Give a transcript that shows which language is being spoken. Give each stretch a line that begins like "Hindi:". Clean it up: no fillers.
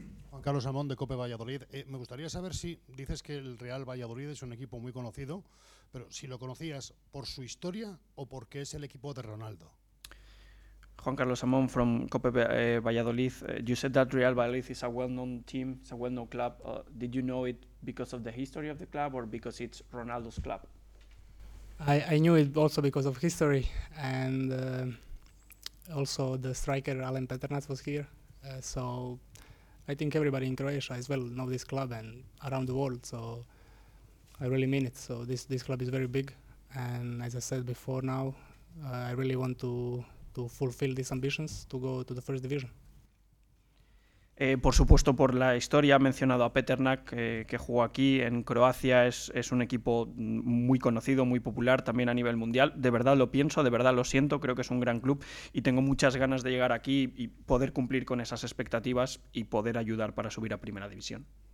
Spanish: Juan Carlos Amón, de COPE Valladolid. Me gustaría saber si dices que el Real Valladolid es un equipo muy conocido, pero si lo conocías por su historia o porque es el equipo de Ronaldo.
English: Juan Carlos Amón from COPE Valladolid. You said that Real Valladolid is a well-known team, it's a well-known club. Did you know it because of the history of the club or because it's Ronaldo's club? I knew it also because of history, and also the striker Alen Peternac was here. So I think everybody in Croatia as well know this club and around the world. So I really mean it. So this club is very big, and as I said before, now I really want to fulfill these ambitions to go to the first division.
Spanish: Por supuesto, por la historia, ha mencionado a Peternak, que jugó aquí en Croacia, es un equipo muy conocido, muy popular también a nivel mundial. De verdad lo pienso, de verdad lo siento, creo que es un gran club y tengo muchas ganas de llegar aquí y poder cumplir con esas expectativas y poder ayudar para subir a primera división.